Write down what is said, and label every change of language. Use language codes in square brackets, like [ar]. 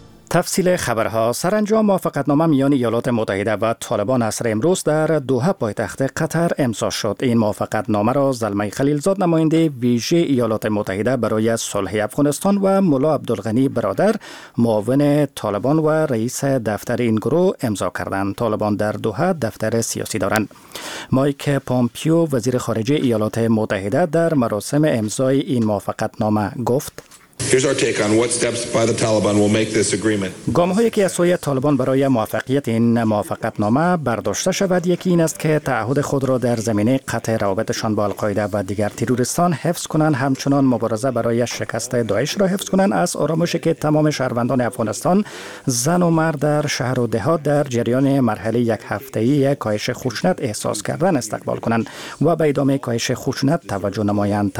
[fa] تفصیل خبرها. سرانجام موافقتنامه میان ایالات متحده و طالبان عصر امروز در دوحه پایتخت قطر امضا شد. این موافقتنامه را زلمه خلیلزاد نماینده ویژه ایالات متحده برای صلح افغانستان و ملا عبدالغنی برادر معاون طالبان و رئیس دفتر این گروه امضا کردند. طالبان در دوحه دفتر سیاسی دارند. مایک پامپیو وزیر خارجه ایالات متحده در مراسم امضای این موافقتنامه گفت: [en] Here's our take on what steps by the Taliban will make this agreement. [fa] گام‌هایی که از سوی طالبان برای موافقت این موافقتنامه برداشته شود، یکی این است که تعهد خود را در زمینه قطع روابطشان با القاعده و دیگر تروریستان حفظ کنند، همچنان مبارزه برای شکست داعش را حفظ کنند، از آرامشی که تمام شهروندان افغانستان زن و مرد در شهر و دهات در جریان مرحله یک هفته‌ای کاهش خشونت احساس کردن استقبال کنند و به ادامه کاهش خشونت توجه نمایند.